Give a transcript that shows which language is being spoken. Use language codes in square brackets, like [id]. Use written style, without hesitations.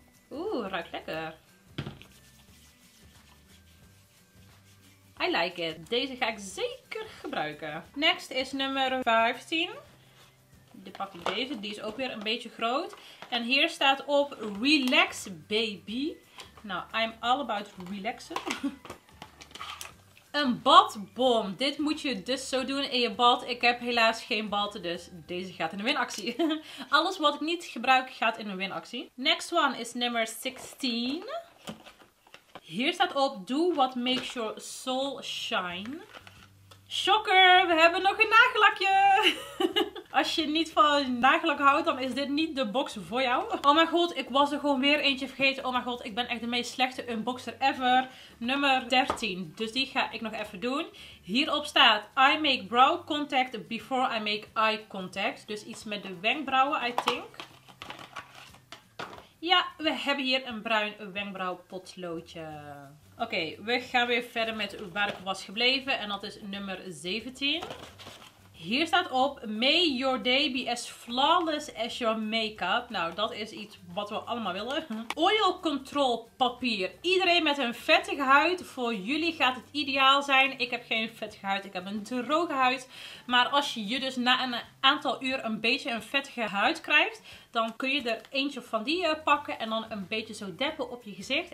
[nl] Oeh, ruikt lekker. [en] I like it. [nl] Deze ga ik zeker gebruiken. [en] Next is [nl] nummer 15. Dan pak ik deze. Die is ook weer een beetje groot. En hier staat op Relax Baby. [en] Nou, I'm all about relaxen. [nl] Een badbom. Dit moet je dus zo doen in je bad. Ik heb helaas geen bad, dus deze gaat in de winactie. Alles wat ik niet gebruik gaat in de winactie. [en] Next one is [nl] nummer 16. Hier staat op, [en] do what makes your soul shine. [nl] Shocker, we hebben nog een nagellakje. Als je niet van nagellak houdt, dan is dit niet de box voor jou. Oh mijn god, ik was er gewoon weer eentje vergeten. Oh mijn god, ik ben echt de meest slechte unboxer ever. Nummer 13, dus die ga ik nog even doen. Hierop staat, [en] I make brow contact before I make eye contact. [nl] Dus iets met de wenkbrauwen, [en] I think. [nl] Ja, we hebben hier een bruin wenkbrauwpotloodje. Oké, we gaan weer verder met waar ik was gebleven. En dat is nummer 17. Hier staat op, [en] may your day be as flawless as your make-up. [nl] Nou, dat is iets wat we allemaal willen. Oil control papier. Iedereen met een vettige huid, voor jullie gaat het ideaal zijn. Ik heb geen vettige huid, ik heb een droge huid. Maar als je dus na een aantal uur een beetje een vettige huid krijgt, dan kun je er eentje van die pakken en dan een beetje zo deppen op je gezicht.